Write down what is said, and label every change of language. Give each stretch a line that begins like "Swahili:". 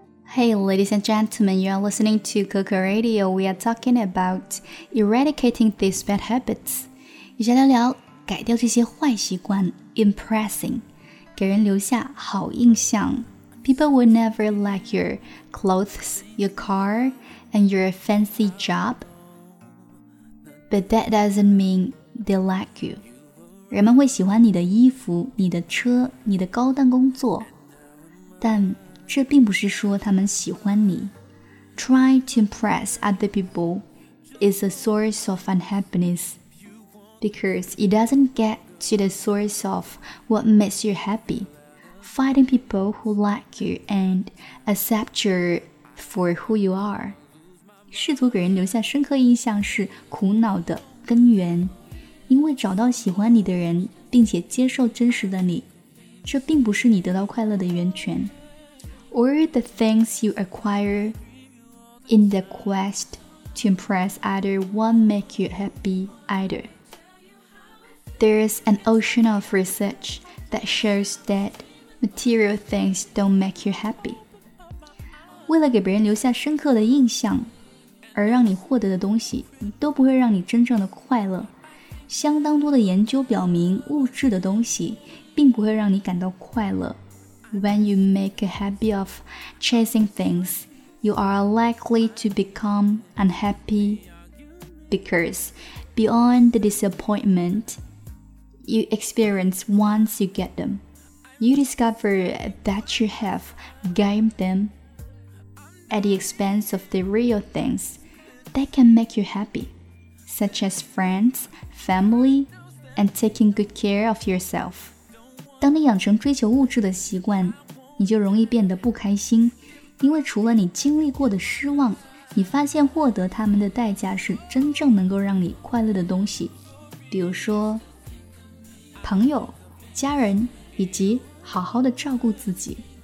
English: Hey, ladies and gentlemen, you are listening to Coco Radio. We are talking about eradicating these bad habits.
Chinese: 一下聊聊改掉这些坏习惯 impressing, 给人留下好印象。
English: People will never like your clothes, your car, and your fancy job. But that doesn't mean they like you.
Chinese: 人们会喜欢你的衣服、你的车、你的高档工作，但这并不是说他们喜欢你。
English: Try to impress other people is a source of unhappiness because it doesn't get to the source of what makes you happy. Finding people who like you and accept you for who you are.
Chinese: 试图给人留下深刻印象是苦恼的根源，因为找到喜欢你的人并且接受真实的你，这并不是你得到快乐的源泉。
English: Or the things you acquire in the quest to impress either won't make you happy either. There's an ocean of research that shows that material things don't make you happy.
Chinese: 为了给别人留下深刻的印象，而让你获得的东西都不会让你真正的快乐。相当多的研究表明，物质的东西并不会让你感到快乐。
English: When you make a habit of chasing things, you are likely to become unhappy because beyond the disappointment you experience once you get them, you discover that you have gained them at the expense of the real things that can make you happy, such as friends, family, and taking good care of yourself.
Chinese: 当你养成追求物质的习惯，你就容易变得不开心，因为除了你经历过的失望，你发现获得他们的代价是真正能够让你快乐的东西，比如说朋友、家人以及好好的照顾自己。